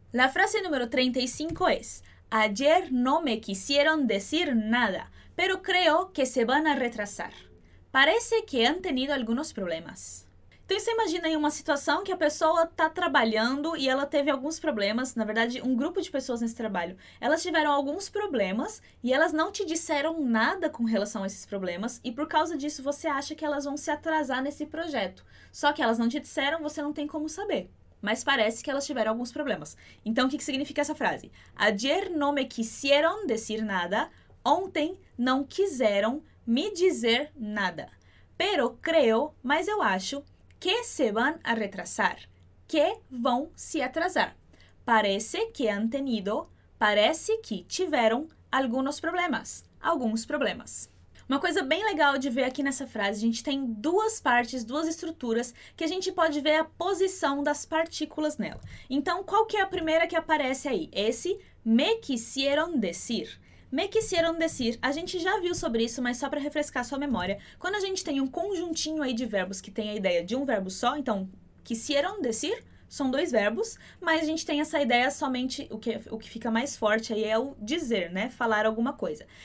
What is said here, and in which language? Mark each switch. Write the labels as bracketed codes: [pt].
[es] La frase número 35 es ayer no me quisieron decir nada, pero creo que se van a retrasar. Parece que han tenido algunos problemas. [pt] Então você imagina aí uma situação que a pessoa está trabalhando e ela teve alguns problemas, na verdade um grupo de pessoas nesse trabalho, elas tiveram alguns problemas e elas não te disseram nada com relação a esses problemas e por causa disso você acha que elas vão se atrasar nesse projeto. Só que elas não te disseram, você não tem como saber, mas parece que elas tiveram alguns problemas. Então o que significa essa frase? [es] Ayer no me quisieron decir nada, [pt] ontem não quiseram me dizer nada. [es] Pero creo, [pt] mas eu acho, [es] que se van a retrasar, [pt] que vão se atrasar. [es] Parece que han tenido, [pt] parece que tiveram algunos problemas, alguns problemas. Uma coisa bem legal de ver aqui nessa frase, a gente tem duas partes, duas estruturas, que a gente pode ver a posição das partículas nela. Então, qual que é a primeira que aparece aí? Esse [es] me quisieron decir. Me quisieron decir, [pt] a gente já viu sobre isso, mas só para refrescar sua memória, quando a gente tem um conjuntinho aí de verbos que tem a ideia de um verbo só, então, quisieron decir, são dois verbos, mas a gente tem essa ideia somente, o que fica mais forte aí é o dizer, né, falar alguma coisa.